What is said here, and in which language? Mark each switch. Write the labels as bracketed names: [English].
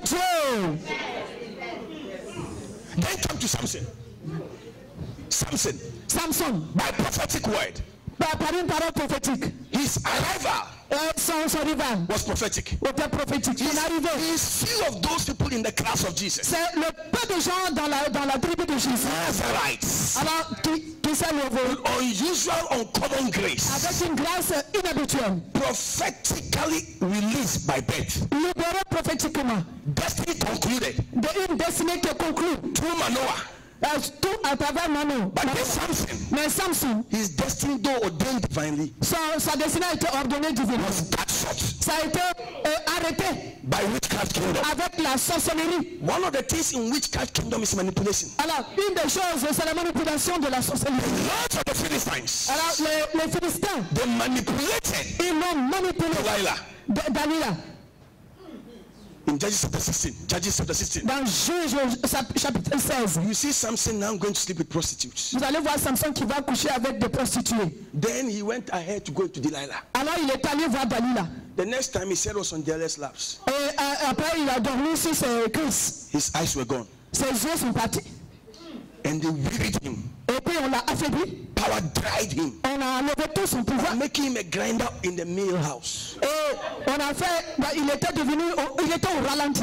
[French] De Dieu! Un homme de Dieu! [English] Then come to Samson. Samson. Samson. By prophetic word. [French] Par une parole prophétique. [English] His arrival. [French] Son rival [English] was prophetic. [French] Était prophétique. Il est arrivé. [English] He's few of those people in the class of Jesus. [French] C'est le peu de gens dans la tribu de Jésus. [English] Nazarites. [French] Alors, qui s'est levé? [English] Unusual, uncommon grace. [French] Avec une grâce inhabituelle. [English] Prophetically released by birth. [French] Libéré prophétiquement. [English] Destiny concluded. [French] Une destinée qui est conclue. [English] Through Manoah. But this Samson, his destiny though ordained divinely, [French] sa destinée était ordonnée [English] divinely, was cut short. [French] Ça a été arrêté [English] by witchcraft kingdom. [French] Avec la sorcellerie. [English] One of the things in witchcraft kingdom is manipulation. [French] Alors, une des choses, c'est la manipulation de la sorcellerie. [English] The lords of the Philistines. [French] Alors, les Philistins. [English] They manipulated. [French] Ils l'ont manipulé. [English] Dalila. In Judges chapter 16. Judges chapter 16. [French] Dans Juges chapitre 16. [English] You see Samson now going to sleep with prostitutes. [French] Vous allez voir Samson qui va coucher avec des prostituées. [English] Then he went ahead to go to Delilah. [French] Alors il est allé voir Dalila. [English] The next time he said was on Delilah's laps. [French] Et après il a dormi sur ses cuisses. [English] His eyes were gone. [French] Ses yeux sont partis. [English] And they wearied him. [French] Et puis on l'a affaibli. [English] Power dried him. [French] On a enlevé tout son pouvoir. [English] And making him a grinder in the meal house. [French] Et on a fait, bah, il était devenu, il était au ralenti.